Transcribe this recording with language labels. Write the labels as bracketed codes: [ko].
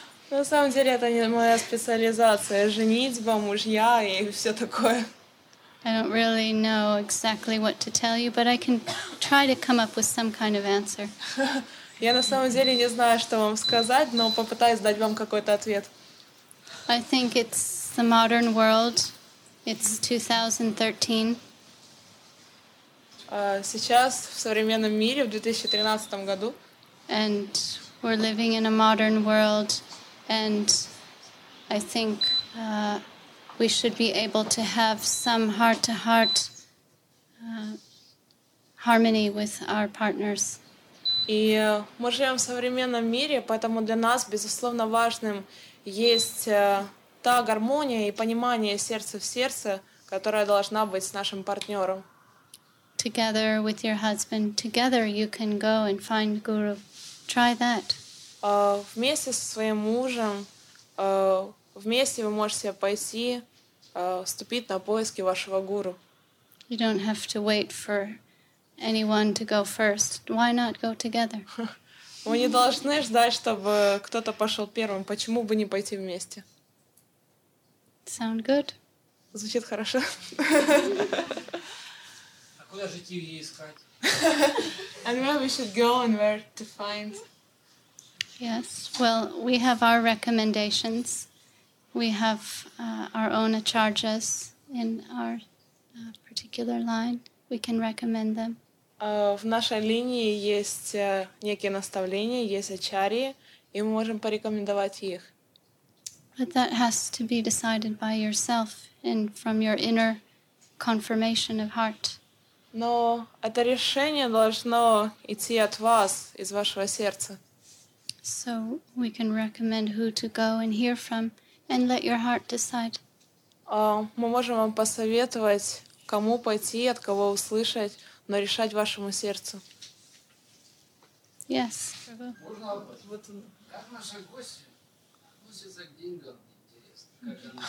[ru] На самом деле это не моя специализация. Женитьба, мужья и все такое. [en] I don't really know exactly what to tell you, but I can try to come up with some kind of answer. [ru] Я на самом деле не знаю, что вам сказать, но попытаюсь дать вам какой-то ответ. [en] I think it's the modern world. It's 2013. [ru] Сейчас в современном мире, в 2013 году. [en] And we're living in a modern world, and I think we should be able to have some heart-to-heart harmony with our partners. [ru] И мы живем в современном мире, поэтому для нас безусловно важным есть та гармония и понимание сердца в сердце, которая должна быть с нашим партнером. [en] Together with your husband, together you can go and find guru. Try that. [ru] Вместе со своим мужем, вместе вы можете пойти вступить на поиски вашего гуру. [en] You don't have to wait for anyone to go first. Why not go together? [ru] Вы не должны ждать, чтобы кто-то пошел первым. Почему бы не пойти вместе? [en] Sound good? [ru] Звучит хорошо. А куда же идти и искать? [en] And where we should go and where to find? Yes. Well, we have our recommendations. We have our own acharyas in our particular line. We can recommend them. [ru] В нашей линии есть некие наставления, есть ачарьи, и мы можем порекомендовать их. [en] But that has to be decided by yourself and from your inner confirmation of heart. [ru] Но это решение должно идти от вас, из вашего сердца. [en] So we can recommend who to go and hear from. And let your heart decide. [ru] Мы можем вам посоветовать, кому пойти, от кого услышать, но решать вашему сердцу. [en] Yes. [ru] Как наши гости относятся к деньгам, интересно.